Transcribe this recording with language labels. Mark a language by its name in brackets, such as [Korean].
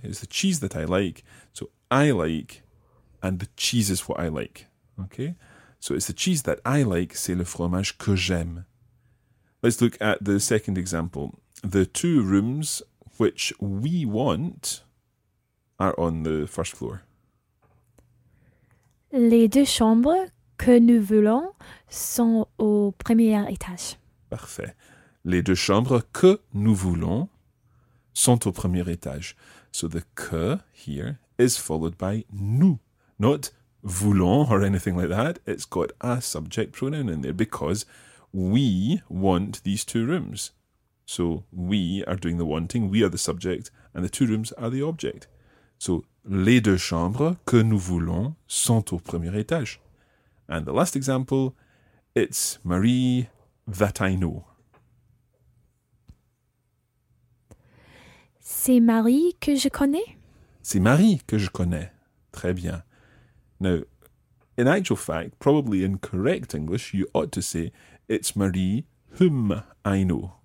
[English] It's the cheese that I like. So I like, and the cheese is what I like. Okay? So it's the cheese that I like, [French] c'est le fromage que j'aime. [English] Let's look at the second example. The two rooms which we want are on the first floor. [French] Les deux chambres que nous voulons sont au premier étage. Parfait. Les deux chambres que nous voulons sont au premier étage. [English] So the que here is followed by nous. Not voulons or anything like that. It's got a subject pronoun in there because we want these two rooms. So we are doing the wanting. We are the subject and the two rooms are the object. [French] So les deux chambres que nous voulons sont au premier étage. [English] And the last example, it's Marie that I know. [French] C'est Marie que je connais. C'est Marie que je connais. Très bien. [English] Now, in actual fact, probably in correct English, you ought to say, it's Marie whom I know.